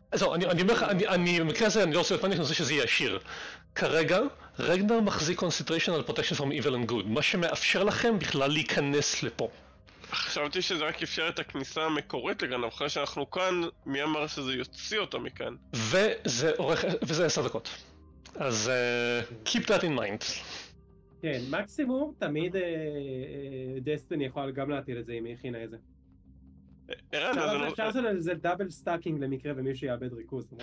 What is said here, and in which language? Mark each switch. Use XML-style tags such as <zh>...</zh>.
<he>זהו, אני אומר לך, אני במקרה הזה, אני לא רוצה להיות פאניק, אני רוצה שזה יהיה עשיר. כרגע, רגנר מחזיק קונצנטריישן על פרוטקשן פרום איבל אנד גוד, מה שמאפשר לכם בכלל להיכנס לפה. חשבתי שזה רק אפשר את הכניסה המקורית לגן, אחרי שאנחנו כאן, מי אמר שזה יוציא אותו מכאן? וזה 10 דקות. אז</he> <en>keep that in mind.</en> <he>כן, מקסימום תמיד דסטיני יכול גם להטיל את זה אם היא הכינה את זה. ערן, אז אני... אפשר לעשות איזה דאבל סטאקינג למקרה ומישהו יאבד ריכוז.</he>